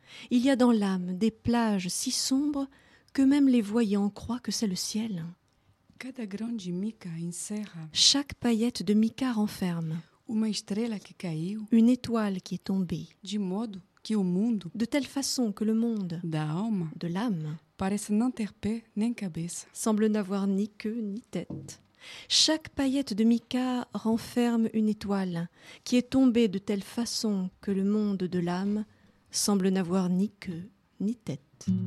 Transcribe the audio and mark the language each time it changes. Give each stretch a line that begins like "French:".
French: Il y a dans l'âme des plages si sombres que même les voyants croient que c'est le ciel.
Portuguese: Cada grande mica encerra.
French: Chaque paillette de mica renferme.
Portuguese: Uma estrela que caiu.
French: Une étoile qui est tombée.
Portuguese: De modo que o mundo.
French: De telle façon que le monde.
Portuguese: Da alma.
French: De l'âme.
Portuguese: Parece não ter pé nem cabeça.
French: Semble n'avoir ni queue ni tête. Chaque paillette de mica renferme une étoile qui est tombée de telle façon que le monde de l'âme semble n'avoir ni queue ni tête.